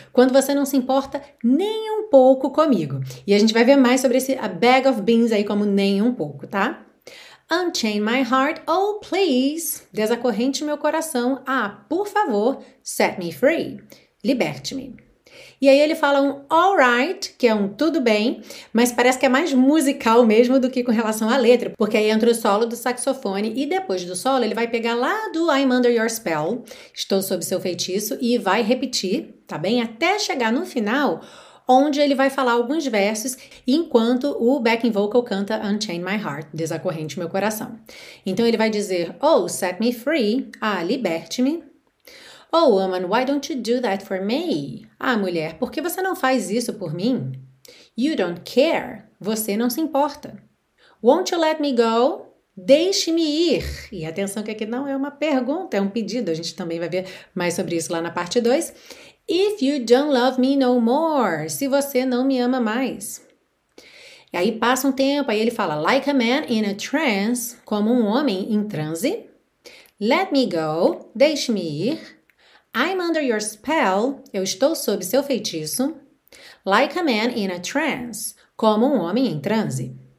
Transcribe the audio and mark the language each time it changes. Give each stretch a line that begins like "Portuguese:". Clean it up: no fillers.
Portuguese: Quando você não se importa nem um pouco comigo. E a gente vai ver mais sobre esse a bag of beans aí como nem um pouco, tá?
English: Unchain my heart, oh please.
Portuguese: Desacorrente meu coração. Ah, por favor,
English: set me free.
Portuguese: Liberte-me. E aí, ele fala um alright, que é um tudo bem, mas parece que é mais musical mesmo do que com relação à letra, porque aí entra o solo do saxofone e depois do solo ele vai pegar lá do
English: I'm under your spell,
Portuguese: estou sob seu feitiço, e vai repetir, tá bem? Até chegar no final, onde ele vai falar alguns versos enquanto o backing vocal canta Unchain My Heart, desacorrente meu coração. Então ele vai dizer,
English: oh, set me free,
Portuguese: ah, liberte-me.
English: Oh, woman, why don't you do that for me?
Portuguese: Ah, mulher, por que você não faz isso por mim?
English: You don't care.
Portuguese: Você não se importa.
English: Won't you let me go?
Portuguese: Deixe-me ir. E atenção que aqui não é uma pergunta, é um pedido. A gente também vai ver mais sobre isso lá na parte 2.
English: If you don't love me no more.
Portuguese: Se você não me ama mais. E aí passa um tempo, aí ele fala,
English: like a man in a trance,
Portuguese: como um homem em transe.
English: Let me go.
Portuguese: Deixe-me ir.
English: I'm under your spell,
Portuguese: eu estou sob seu feitiço,
English: like a man in a trance,
Portuguese: como um homem em transe.